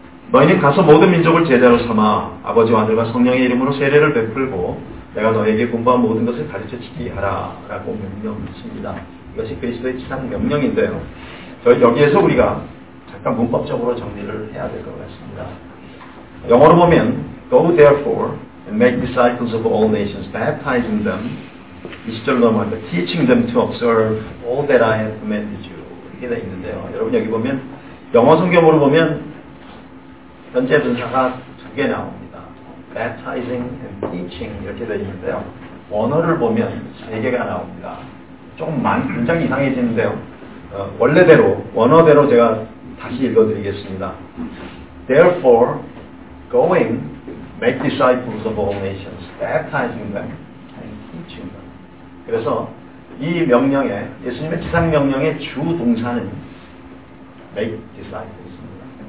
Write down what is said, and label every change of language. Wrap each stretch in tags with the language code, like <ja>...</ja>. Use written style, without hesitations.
<ko>너희는 가서 모든 민족을 제자로 삼아 아버지와 아들과 성령의 이름으로 세례를 베풀고 내가 너에게 공부한 모든 것을 가르쳐 지키게 하라 라고 명령하십니다. 이것이 그리스도의 지상 명령인데요. 저희 여기에서 우리가 잠깐 문법적으로 정리를 해야 될 것 같습니다. 영어로 보면</ko> <en>Go therefore and make disciples of all nations, baptizing them,</en> <ko>이 시절로 넘어가서</ko> <en>teaching them to observe all that I have commanded you</en> <ko>이렇게 되어 있는데요. 여러분 여기 보면 영어 성경으로 보면 현재 분사가 두 개 나옵니다.</ko> <en>Baptizing and teaching</en> <ko>이렇게 되어 있는데요. 원어를 보면 세 개가 나옵니다. 조금 굉장히 이상해지는데요. 원래대로 원어대로 제가 다시 읽어드리겠습니다.</ko> <en>Therefore, going, make disciples of all nations, baptizing them and teaching them.</en> <ko>그래서 이 명령에 예수님의 지상 명령의 주 동사는 make disciples입니다.</ko>